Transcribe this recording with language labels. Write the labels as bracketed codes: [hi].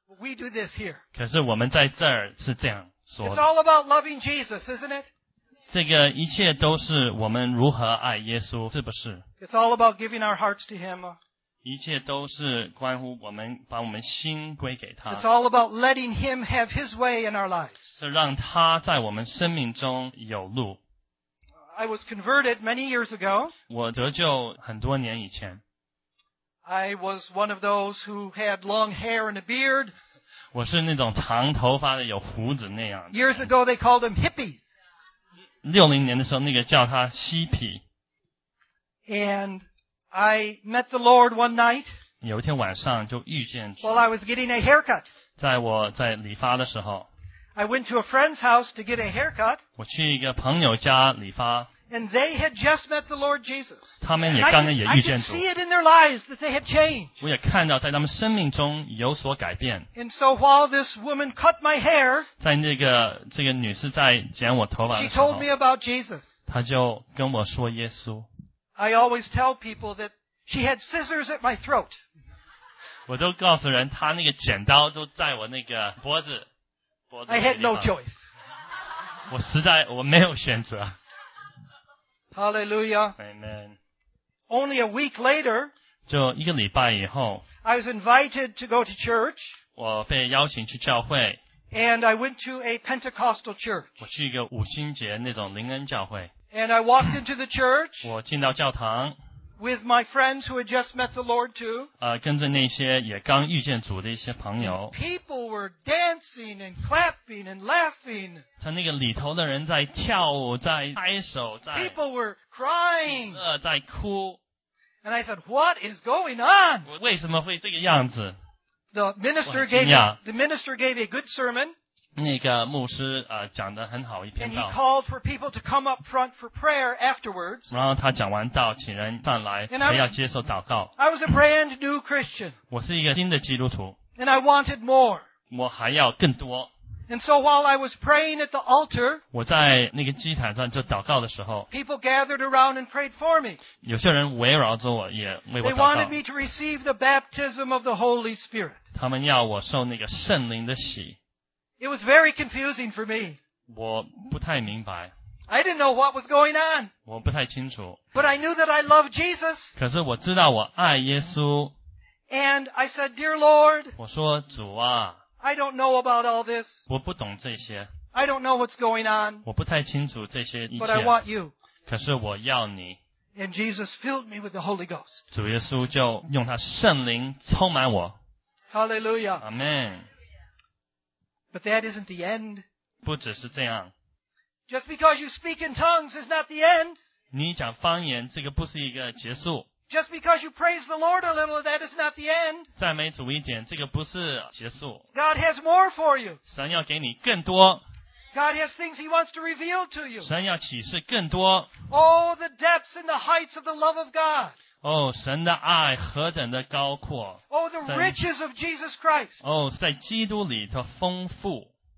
[en] We do this here. [zh] 可是我们在这儿是这样说的。 [en] It's all about loving Jesus, isn't it? [zh] 这个一切都是我们如何爱耶稣，是不是 [en] ？It's all about giving our hearts to Him. [zh] 一切都是关乎我们把我们心归给他。 [en] It's all about letting Him have His way in our lives. [zh] 是让他在我们生命中有路。 [en] I was converted many years ago. [zh] 我得救很多年以前。 [en] I was one of those who had long hair and a beard. [zh] 我是那种长头发的有胡子那样的。 [en] Years ago they called them hippies. [zh] 60年的时候那个叫他嬉皮。 [en] And I met the Lord one night. [zh] 有一天晚上就遇见。 [en] While I was getting a haircut. [zh] 在我在理发的时候。 [en] I went to a friend's house to get a haircut. [zh] 我去一个朋友家理发。 [en] And they had just met the Lord Jesus. [zh] 他们也刚刚也遇见主。 [en] I could see it in their lives that they had changed. [zh] 我也看到在他们生命中有所改变。 [en] And so while this woman cut my hair, [zh] 在那个这个女士在剪我头发的时候， [en] she told me about Jesus. [zh] 她就跟我说耶稣。 [en] I always tell people that she had scissors at my throat. [zh] 我都告诉人她那个剪刀都在我那个脖子。 [en] I had no choice. [zh] 我实在我没有选择。 [en] Hallelujah. Amen. Only a week later, [zh] 就一个礼拜以后, [en] I was invited to go to church. [zh] 我被邀请去教会, [en] and I went to a Pentecostal church. [zh] 我去一个五旬节那种灵恩教会, [en] and I walked into the church. [zh] 我进到教堂, [en] with my friends who had just met the Lord too. [zh] 跟着那些也刚遇见主的一些朋友。 [en] People were dancing and clapping and laughing. [zh] 他那个里头的人在跳舞，在拍手，在。 [en] People were crying. [zh] 在哭。 [en] And I said, "What is going on?" [zh] 为什么会这个样子？ [en] The minister gave a good sermon. [zh] 那个牧师讲得很好一篇道。 [en] And he called for people to come up front for prayer afterwards. [zh] 然后他讲完道，请人上来，还要接受祷告。 [en] I was a brand new Christian. [zh] 我是一个新的基督徒。 [en] And I wanted more. [zh] 我还要更多。 [en] And so while I was praying at the altar, [zh] 我在那个祭坛上就祷告的时候， [en] people gathered around and prayed for me. [zh] 有些人围绕着我，也为我祷告。 [en] They wanted me to receive the baptism of the Holy Spirit. [zh] 他们要我受那个圣灵的洗。 [en] It was very confusing for me. [zh] 我不太明白。 [en] I didn't know what was going on. [zh] 我不太清楚。 [en] But I knew that I loved Jesus. [zh] 可是我知道我爱耶稣。 [en] And I said, Dear Lord, [zh] 我说主啊。 [en] I don't know about all this. [zh] 我不懂这些。 [en] I don't know what's going on. [zh] 我不太清楚这些一切。 [en] But I want you. [zh] 可是我要你。 [en] And Jesus filled me with the Holy Ghost. [zh] 主耶稣就用他圣灵充满我。 [en] Hallelujah. Amen. But that isn't the end. [zh] 不只是这样。 [en] Just because you speak in tongues is not the end. [zh] 你讲方言，这个不是一个结束。 [en] Just because you praise the Lord a little, that is not the end. [zh] 赞美主一点，这个不是结束。 [en] God has more for you. [zh] 神要给你更多。 [en] God has things He wants to reveal to you. [zh] 神要启示更多。 [en] Oh, the depths and the heights of the love of God. [zh] 哦，神的爱何等的高阔。 [en] Oh, the riches of Jesus Christ. [zh] 哦，在基督里的丰富。